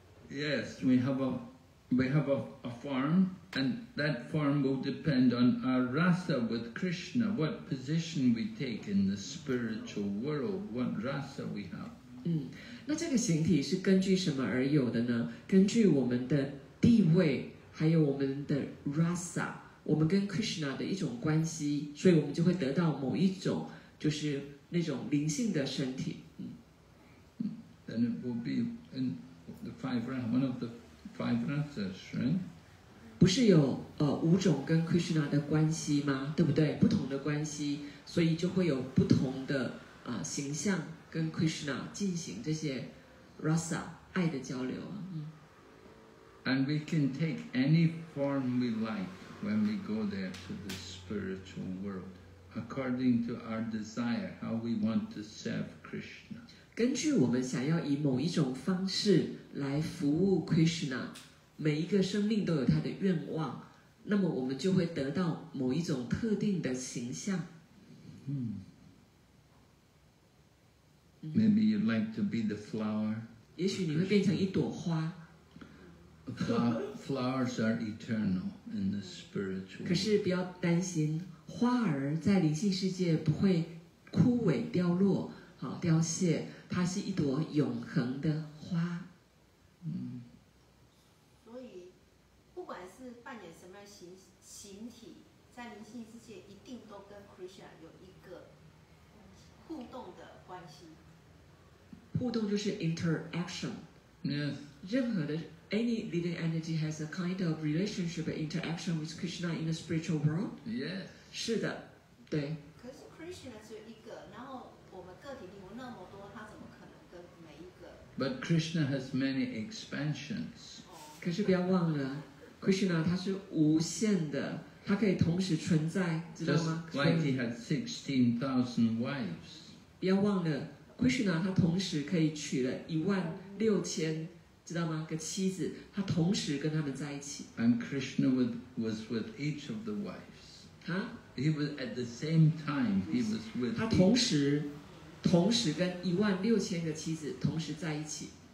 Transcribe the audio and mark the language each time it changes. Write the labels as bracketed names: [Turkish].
[English] Yes, we have a form, and that form will depend on our rasa with Krishna, what position we take in the spiritual world, what rasa we have. [Chinese] 那这个形体是根据什么而有的呢？根据我们的地位还有我们的 rasa， 我们跟 Krishna 的一种关系，所以我们就会得到某一种，就是那种灵性的身体。 [English] Then it will be in the five rasa, one of the five rasas, right? [Chinese] 不是有五种跟 Krishna 的关系吗？对不对？不同的关系，所以就会有不同的形象跟 Krishna 进行这些 rasa 爱的交流啊。 [English] And we can take any form we like when we go there to the spiritual world, according to our desire, how we want to serve Krishna. [Chinese] 根据我们想要以某一种方式来服务 Krishna， 每一个生命都有他的愿望，那么我们就会得到某一种特定的形象。 [English] Maybe you'd like to be the flower. [Chinese] 也许你会变成一朵花。 [English] Flowers are eternal in the spiritual. [Chinese] 可是不要担心，花儿在灵性世界不会枯萎凋落，好凋谢，它是一朵永恒的花。所以，不管是扮演什么样形体，在灵性世界一定都跟 Krishna 有一个互动的关系。互动就是 interaction。 [English] Yes. [Chinese] 任何的。 [English] Any living entity has a kind of relationship or interaction with Krishna in the spiritual world? Yes. [Chinese] 是的，对。可是 Krishna 只有一个，然后我们个体灵魂那么多，他怎么可能跟每一个 [English] ？But Krishna has many expansions. [Chinese] 可是不要忘了 ，Krishna 他是无限的，他可以同时存在，知道吗 [English] ？Just like he had 16,000 wives. [Chinese] 不要忘了 ，Krishna 他同时可以娶了16,000。知道吗？个妻子，他同时跟他们在一起。 [English] And Krishna was with each of the wives. 哈？He was at the same time. He was with. [Chinese] 他同时跟16,000个妻子同时在一起。